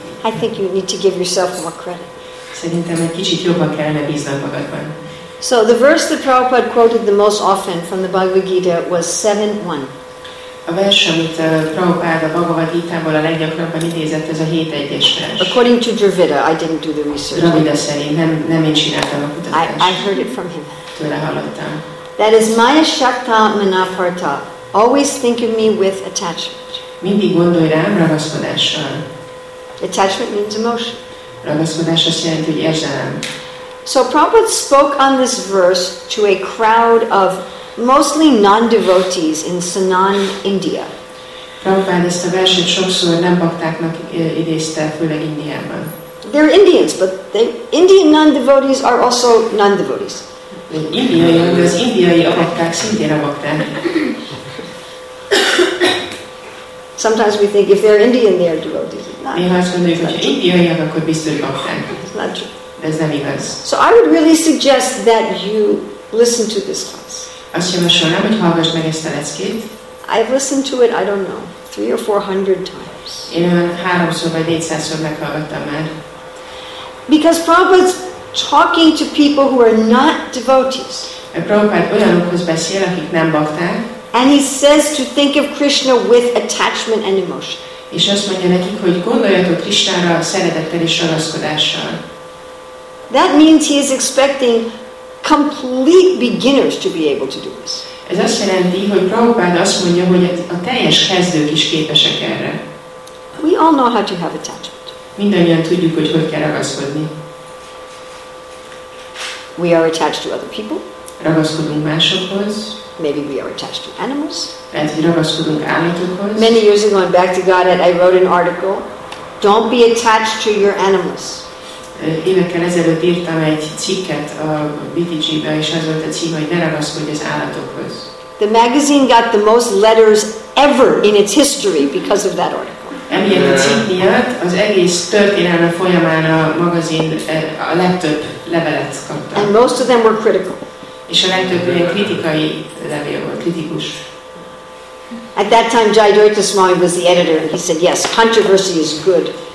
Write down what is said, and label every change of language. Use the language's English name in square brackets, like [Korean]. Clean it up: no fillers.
[English] I think you need to give yourself more credit. [Hungarian] Szerintem egy kicsit jobban kellene bíznod magadban. [English] So the verse that Prabhupada quoted the most often from the Bhagavad Gita was 7:1. [Hungarian] A vers, amit Prabhupada Bhagavad Gita-ból a leggyakrabban idézett, ez a 7:1-es vers. [English] According to Dravida, I didn't do the research. [Hungarian] Dravida szerint, nem én csináltam a kutatást. [English] I heard it from him. [Hungarian] Tőle hallottam. [English] That is maya shakta manaparta. Always think of me with attachment. [Hungarian] Mindig gondolj rám ragaszkodással. [English] Attachment means emotion. [Hungarian] Ragaszkodás azt jelenti, hogy érzelem. [English] So Prabhupada spoke on this verse to a crowd of mostly non-devotees in Sanan, India. [Hungarian] Prabhupada ezt a verset sokszor nem baktáknak idézte, főleg Indiában. [English] They're Indians, but the Indian non-devotees are also non-devotees. [Hungarian] Indiai a bakták szintén a bakták. [English] Sometimes we think if they're Indian, they are devotees. [Hungarian] Néha azt gondoljuk, hogy indiaiak, akkor biztos bakták. De ez nem igaz. [English] So I would really suggest that you listen to this class. [Hungarian] Azt javasolnám, hogy hallgass meg ezt a leckét. [English] I've listened to it, I don't know, 300 or 400 times. [Hungarian] Én olyan 300-szor vagy 400-szor meghallgattam már. [English] Because Prabhupada's talking to people who are not devotees. [Hungarian] A Prabhupada olyanokhoz beszél, akik nem bakták. [English] And he says to think of Krishna with attachment and emotion. [Hungarian] És azt mondja nekik, hogy gondoljatok Krishnára szeretettel és ragaszkodással. [English] That means he is expecting complete beginners to be able to do this. [Hungarian] Ez azt jelenti, hogy Prabhupád azt mondja, hogy a teljes kezdők is képesek erre. [English] We all know how to have attachment. [Hungarian] Mindannyian tudjuk, hogy hogy kell ragaszkodni. [English] We are attached to other people. [Hungarian] Ragaszkodunk másokhoz. [English] Maybe we are attached to animals. [Hungarian] Lehet, hogy ragaszkodunk állatokhoz. [English] Many years ago, I'm back to God, and I wrote an article. Don't be attached to your animals. [Hungarian] Évekkel ezelőtt írtam egy cikket a BTG-be, és az volt a cím, hogy ne ragaszkodj az állatokhoz. [English] The magazine got the most letters ever in its history because of that article. [Hungarian] Emiatt a cím miatt az egész történelme folyamán a magazin a legtöbb levelet kapta. [English] And most of them were critical. [Hungarian] És a legtöbb ilyen kritikai levél volt, kritikus. [English] At that time, Jayadvaita Swami was the editor, and he said, "Yes, controversy is good."